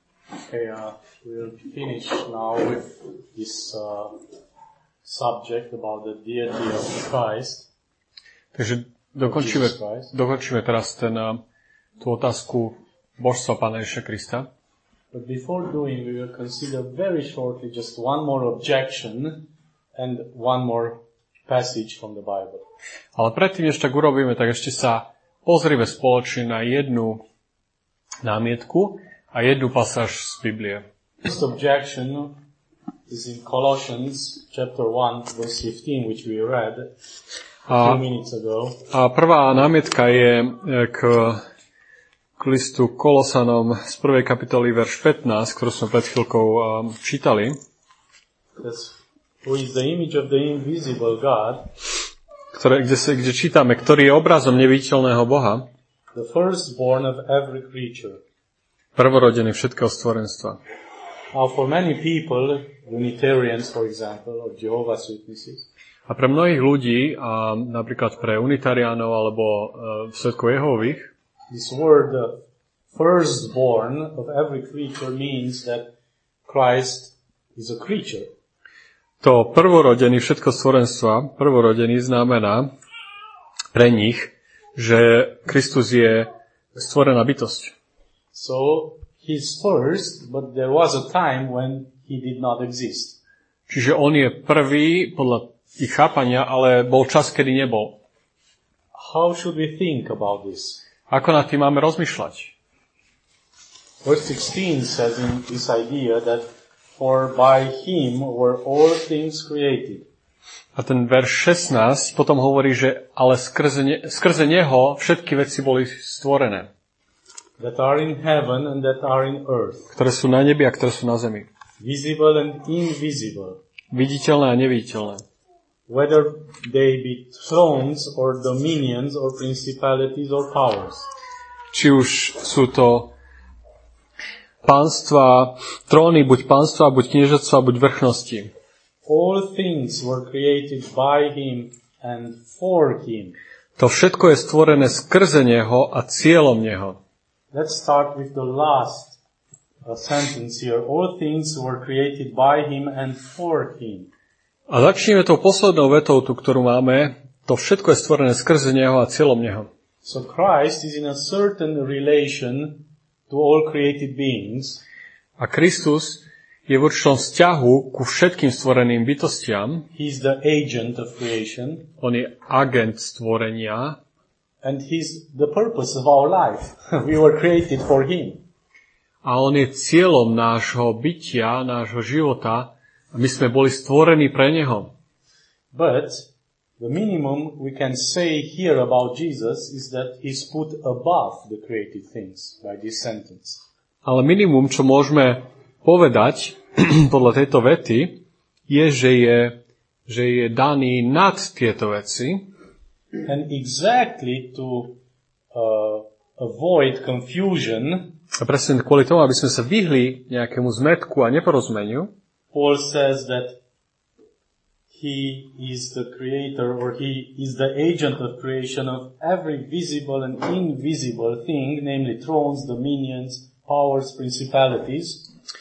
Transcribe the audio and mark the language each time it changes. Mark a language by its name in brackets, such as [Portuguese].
[English] Okay, we'll finish now with this subject about the deity of Christ. [Slovak] Takže dokončíme, teraz ten, tú otázku Božstva Pána Ježiša Krista. [English] But before doing, we will consider very shortly just one more objection and one more passage from the Bible. [Slovak] Ale predtým, než tak urobíme, tak ešte sa pozrieme spoločne na jednu námietku a jednu pasáž z Biblie. [English] This objection is in Colossians chapter 1 verse 15, which we read a few minutes ago. [Slovak] A prvá námietka je k listu Kolosanom z 1. kapitoly verš 15, ktorú sme pred chvíľkou čítali. [English] Who is the image of the invisible God? [Slovak] Kde čítame, ktorý je obrazom neviditeľného Boha? [English] The firstborn of every creature. [Slovak] Prvorodený všetkého stvorenstva. [English] Now for many people, Unitarians for example, or Jehovah's Witnesses. [Slovak] A pre mnohých ľudí, a napríklad pre unitariánov alebo svedkov Jehovových, [English] this word firstborn of every creature means that Christ is a creature. [Slovak] To prvorodený všetko stvorenstva, prvorodený znamená pre nich, že Kristus je stvorená bytosť. [English] So he's first, but there was a time when he did not exist. [Slovak] Čiže on je prvý podľa ich chápania, ale bol čas, kedy nebol. [English] How should we think about this? [Slovak] Ako nad tým máme rozmýšľať? [English] Verse 16 says in this idea that for by him were all things created. [Slovak] A ten verš 16 potom hovorí, že ale skrze neho všetky veci boli stvorené. [English] That are in heaven and that are in earth. [Slovak] Ktoré sú na nebi a ktoré sú na zemi. [English] Visible and invisible. [Slovak] Viditeľné a neviditeľné. [English] Whether they be thrones or dominions or principalities or powers. [Slovak] Či už sú to pánstva, tróny, buď pánstva, buď kniežatstva, buď vrchnosti. [English] All things were created by him and for him. [Slovak] To všetko je stvorené skrze neho a cieľom neho. [English] Let's start with the last sentence here. All things were created by him and for him. [Slovak] A začneme tou poslednou vetou, tú, ktorú máme. To všetko je stvorené skrze neho a cieľom neho. [English] So Christ is in a certain relation to all created beings. [Slovak] A Kristus je v určitom vzťahu ku všetkým stvoreným bytostiam. [English] He is the agent of creation. [Slovak] On je agent stvorenia. [English] And he's the purpose of our life. We were created for him. [Slovak] A on je cieľom nášho bytia, nášho života. A my sme boli stvorení pre neho. [English] But the minimum we can say here about Jesus is that he's put above the created things by this sentence. [Slovak] Ale minimum, čo môžeme povedať podľa tejto vety, je, že je daný nad tieto veci. [English] And exactly to avoid confusion. [Slovak] A presne kvôli tomu, aby sme sa vyhli nejakému zmetku a neporozumeniu. [English] Paul says that he is the creator or he is the agent of creation of every visible and invisible thing, namely thrones, dominions, powers, principalities.